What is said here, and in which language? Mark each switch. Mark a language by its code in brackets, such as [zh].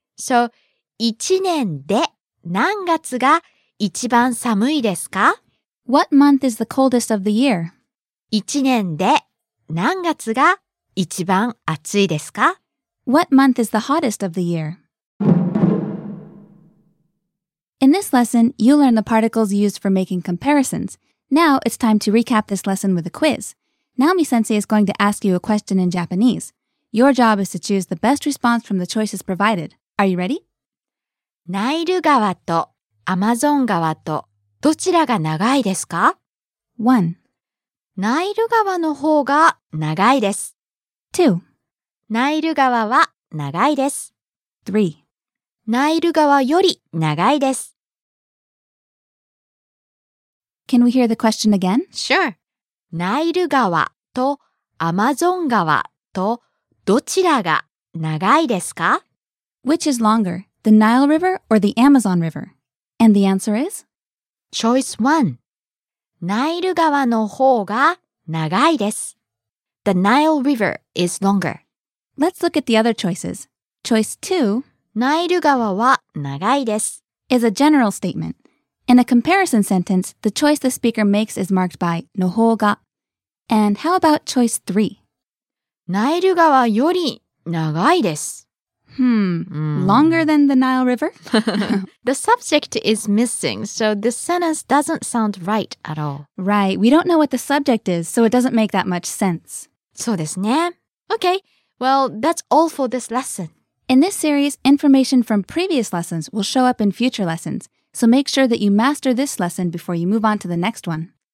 [ja] So, 一年で何月が一番寒いですか? [en] What month is the coldest of the year? [ja] 一年で何月が一番暑いですか? [en] What month is the hottest of the year? In this lesson, you learn the particles used for making comparisons. Now it's time to recap this lesson with a quiz. Naomi-sensei is going to ask you a question in Japanese. Your job is to choose the best response from the choices provided. Are you ready? [ja] ナイル川とアマゾン川とどちらが長いですか? [en] 1. [ja] ナイル川の方が長いです。 [en] 2. [ja] ナイル川は長いです。 [en] 3. [ja] ナイル川より長いです。 [en] Can we hear the question again? Sure. [ja] ナイル川とアマゾン川とどちらが長いですか? [en] Which is longer, the Nile River or the Amazon River? And the answer is? Choice 1. [ja] ナイル川の方が長いです。 [en] The Nile River is longer. Let's look at the other choices. Choice 2. [ja] ナイル川は長いです。 [en] is a general statement. In a comparison sentence, the choice the speaker makes is marked by の方が。 And how about choice 3? [ja] ナイル川より長いです。 [en] Longer than the Nile River? The subject is missing, so this sentence doesn't sound right at all. Right, we don't know what the subject is, so it doesn't make that much sense. [ja] そうですね。 [en] Okay, well, that's all for this lesson. In this series, information from previous lessons will show up in future lessons, so make sure that you master this lesson before you move on to the next one.